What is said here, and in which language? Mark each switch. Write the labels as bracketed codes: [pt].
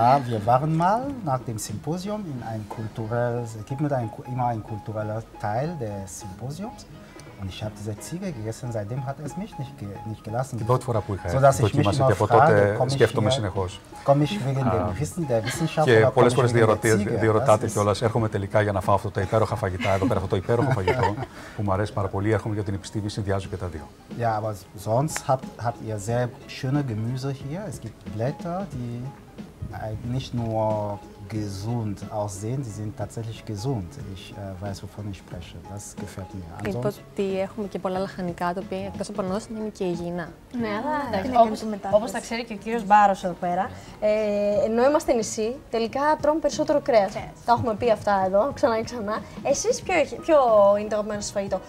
[de] Wir waren mal nach dem Symposium in ein kulturelles, es gibt immer ein kultureller Teil des Symposiums, und ich habe diese Ziege gegessen, seitdem hat es mich nicht gelassen. Die dritte Frage, die ich hatte, so dass ich mich immer frage, komme ich wegen dem Wissen der Wissenschaft oder komme ich wegen der Ziege? [el] Και πολλές διερωτάτε κιόλας, έρχομαι τελικά για να φάω αυτό το υπέροχα φαγητά, εδώ πέρα αυτό το υπέροχο φαγητό που μου αρέσει πάρα πολύ, έρχομαι για την επιστήμη, συνδυάζω και τα δύο. [de] Ja, aber sonst habt ihr sehr schöne Gemüse hier. Es gibt Blätter, die nicht nur gesund aussehen, sie sind tatsächlich gesund. Ich weiß, wovon ich spreche. Das gefällt mir. Ansonsten... [el] Είπα ότι έχουμε και πολλά λαχανικά, τα οποία εκτός από νόσο είναι και υγιεινά. Ναι, αλλά όπως τα ξέρει και ο κύριος Μπάρος εδώ πέρα, ενώ είμαστε νησί, τελικά τρώμε περισσότερο κρέας. Τα έχουμε πει αυτά εδώ, ξανά και ξανά. Εσείς ποιο είναι το αγαπημένο σας φαγητό?